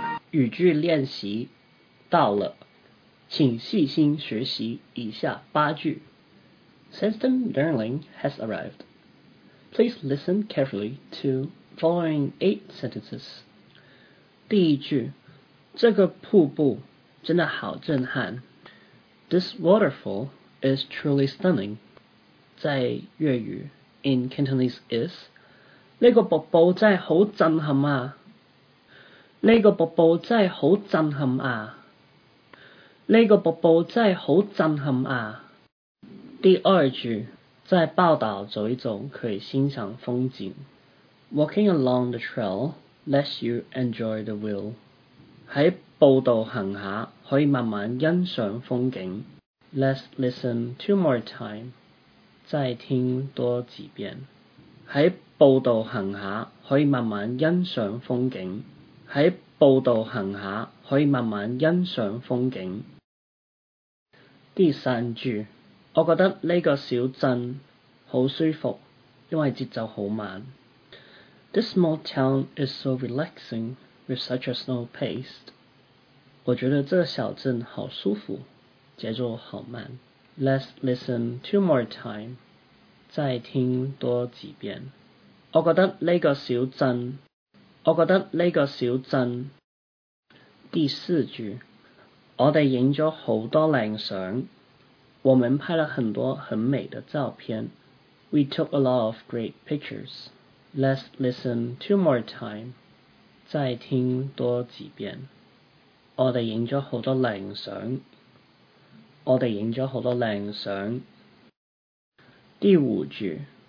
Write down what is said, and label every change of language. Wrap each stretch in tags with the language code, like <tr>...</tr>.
<zh>语句练习到了请细心学习以下八句</zh> <en>System learning has arrivedPlease listen carefully to following 8 sentences.</en> <zh>第一句，这个瀑布真的好震撼。</zh> <en>This waterfall is truly stunning.</en> <zh>在粤语 ,</zh> <en>in Cantonese is,</en> <zh>这个瀑布真的好震撼啊。这个瀑布真的好震撼啊。这个瀑布真的好震撼啊。第二句，在报道走一走可以欣赏风景。</zh> <en>Walking along the trail lets you enjoy the view.</en> <zh>在报道行下可以慢慢欣赏风景。</zh> <en>Let's listen 2 more time.</en> <zh>再听多几遍。在报道行下可以慢慢欣赏风景。在报道行下可以慢慢欣赏风景。第三句。我觉得这个小镇好舒服因为节奏好慢。</zh> <en>This small town is so relaxing with such a slow pace.</en> <zh>我觉得这个小镇好舒服节奏好慢。</zh> <en>Let's listen 2 more time.</en> <zh>再听多几遍。我觉得这个小镇我觉得这个小镇。第四句我们拍了好多靓相。我们拍了很多很美的照片。</zh> <en>We took a lot of great pictures. Let's listen 2 more time.</en> <zh>再听多几遍。我们拍了好多靓相。我们拍了好多靓相。第五句。</zh>